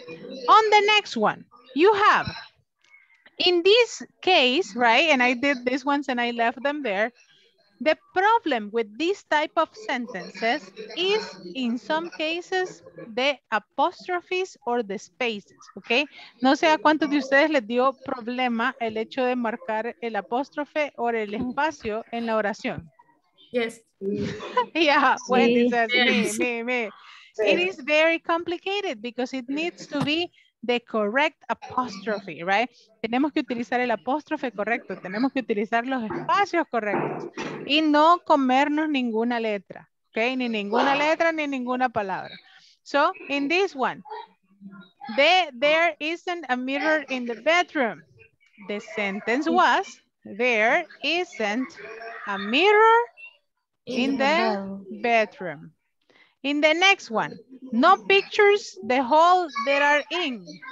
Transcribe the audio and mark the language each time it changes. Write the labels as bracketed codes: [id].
[en] On the next one, you have, in this case, right, and I did this once and I left them there, the problem with this type of sentences is, in some cases, the apostrophes or the spaces, okay? [es] No sé a cuántos de ustedes les dio problema el hecho de marcar el apóstrofe o el espacio en la oración. [en] Yes. Yeah, sí. Wendy says, yes. Me. It is very complicated because it needs to be the correct apostrophe, right? [es] Tenemos que utilizar el apóstrofe correcto, tenemos que utilizar los espacios correctos y no comernos ninguna letra, okay? Ni ninguna letra, ni ninguna palabra. [en] So, in this one, there isn't a mirror in the bedroom. The sentence was, there isn't a mirror in the bedroom. In the next one, no pictures, the hole there are in.